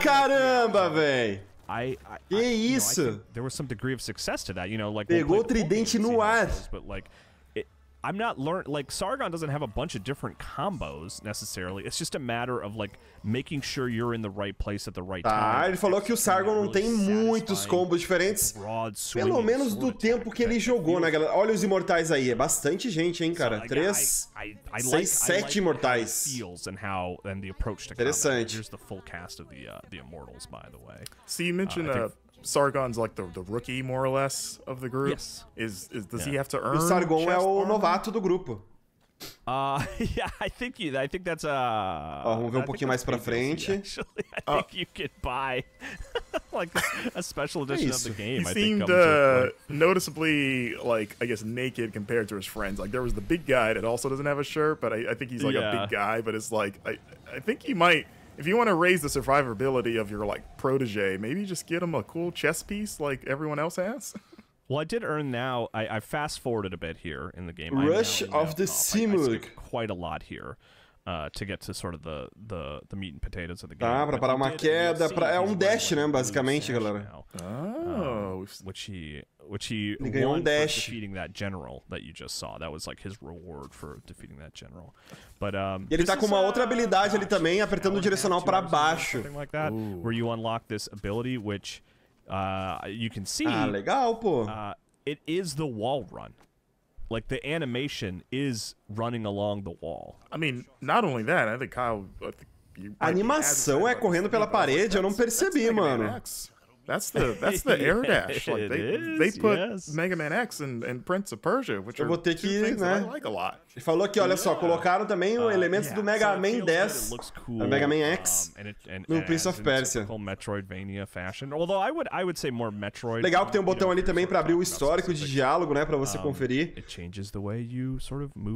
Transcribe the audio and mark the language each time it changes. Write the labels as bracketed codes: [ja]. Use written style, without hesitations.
[pt] caramba, velho. [en] I [pt] que isso? [en] You know, I there was some degree of success to that, you know, like [pt] pegou we'll tridente no ar. [en] But like I'm not learned, like Sargon doesn't have a bunch of different combos necessarily. It's just a matter of like making sure you're in the right place at the right time. [pt] Ah, ele falou que o Sargon não tem muitos combos diferentes. Pelo menos do tempo que ele jogou, né, galera? Olha os imortais aí, é bastante gente, hein, cara? 3 6 7 imortais. Interessante. [en] Here's the full cast of the immortals, by the way. So you mentioned Sargon's like the rookie, more or less, of the group. Yes. Does he have to earn? [pt] O Sargon é o novato do grupo. [en] I think that's a. [pt] Vamos ver um pouquinho mais para frente. [en] Actually, I think you could buy like a special edition of the game. He seemed noticeably like I guess naked compared to his friends. Like there was the big guy that also doesn't have a shirt, but I think he's like a big guy. But it's like I think he might. If you want to raise the survivability of your like protege, maybe just get him a cool chess piece like everyone else has. Well, I did earn now. I fast forwarded a bit here in the game. Rush of the Simurgh. I quite a lot here to get to sort of the meat and potatoes of the game. [pt] Ah, pra parar uma queda, é um dash, né, basicamente, galera. [en] Oh, which he won [pt] um dash. [en] For defeating that general that you just saw. That was like his reward for defeating that general. But [pt] ele tá com uma outra habilidade ali também, apertando o direcional para baixo. [en] Like that, where you unlock this ability, which you can see. [pt] Ah, legal, pô. [en] It is the wall run. Like the animation is running along the wall. I mean, not only that, I think Kyle. I think [pt] a animação é correndo pela parede. Eu não percebi, mano. [en] That's the air dash. Like they put Mega Man X and Prince of Persia, which [pt] eu vou ter que, né? [en] I like a lot. [pt] Ele falou que, olha só, colocaram também elementos do Mega Man 10, do Mega Man X, no Prince of Persia. [en] Metroidvania fashion. Although I would say more Metroid. [pt] Legal que tem um botão ali também para abrir o histórico de diálogo, né, para você conferir. [en] It changes the way you sort of move.